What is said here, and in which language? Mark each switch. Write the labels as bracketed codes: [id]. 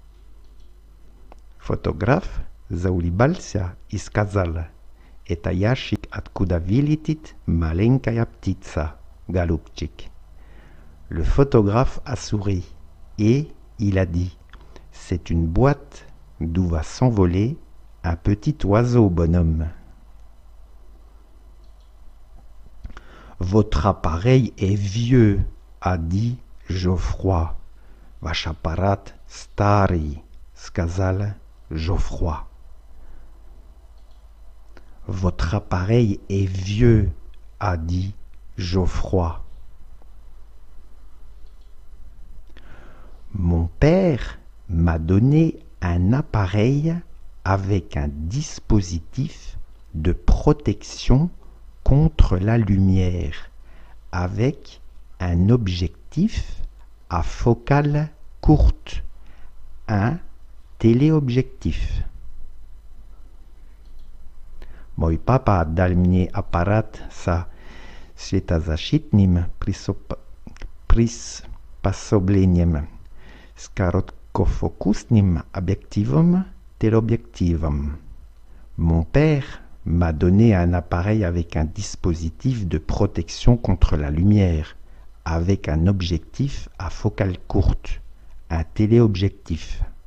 [ru] » Photographe заулыбался и сказал « Это ящик, откуда вылетит маленькая птица, голубчик. [fr] » Le photographe a souri et il a dit « C'est une boîte d'où va s'envoler un petit oiseau, bonhomme. » Votre appareil est vieux, a dit Geoffroy. [ru] Ваш аппарат старый, сказал Geoffroy. [fr] Votre appareil est vieux, a dit Geoffroy. Mon père m'a donné un appareil avec un dispositif de protection contre la lumière, avec un objectif à focale courte, un téléobjectif. [ru] Мой папа дал мне аппарат со светозащитным приспособлением с короткофокусным объективом. [fr] Mon père m'a donné un appareil avec un dispositif de protection contre la lumière, avec un objectif à focale courte, un téléobjectif.